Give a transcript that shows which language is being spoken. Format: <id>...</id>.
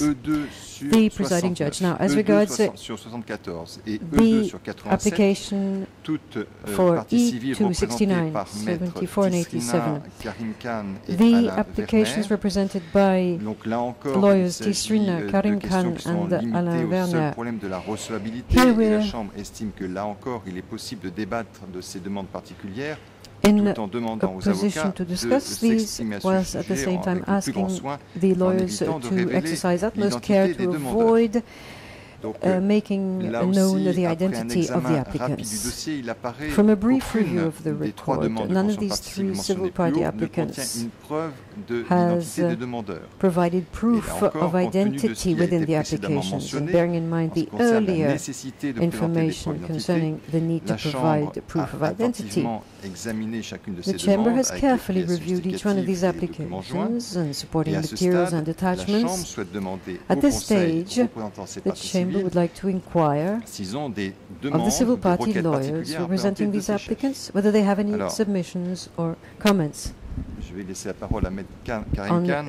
<en>The presiding judge. Now, as regards the application for E2-69, 74 and 87, the applications represented by lawyers Tisrina, Karim Khan and Alain Werner. Here we are.</en> <fr>La Chambre estime que là encore, il est possible de débattre de ces demandes particulières.</fr> <en>In a position to discuss these, whilst at the same time asking the lawyers to exercise utmost care to avoid making known the identity of the applicants. From a brief review of the record, none of these three civil party applicants has provided proof of identity within the applications, and bearing in mind the earlier information concerning the need to provide proof of identity, the Chamber has carefully reviewed each one of these applications and supporting materials and attachments. At this stage, the Chamber would like to inquire of the civil party lawyers representing these applicants whether they have any submissions or comments</en> <fr>je vais laisser la parole à Karim Khan</fr>